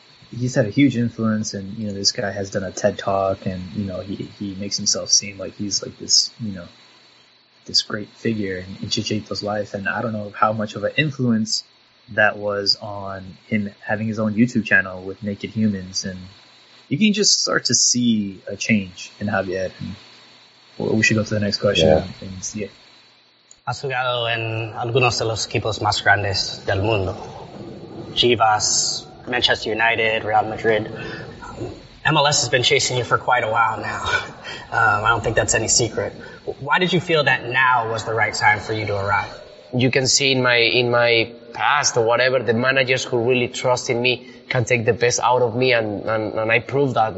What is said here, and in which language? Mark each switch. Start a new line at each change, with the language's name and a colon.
English: He's had a huge influence, and you know, this guy has done a TED Talk, and you know, he makes himself seem like he's like this, you know, this great figure in Chicharito's life, and I don't know how much of an influence that was on him having his own YouTube channel with Naked Humans, and you can just start to see a change in Javier. And we should go to the next question, yeah. And see it.
Spanish: Has jugado en algunos de los equipos más grandes del mundo. Chivas, Manchester United, Real Madrid.
English: MLS has been chasing you for quite a while now. I don't think that's any secret. Why did you feel that now was the right time for you to arrive? You can see in my past or whatever, the managers who really trust in me can take the best out of me, and I proved that.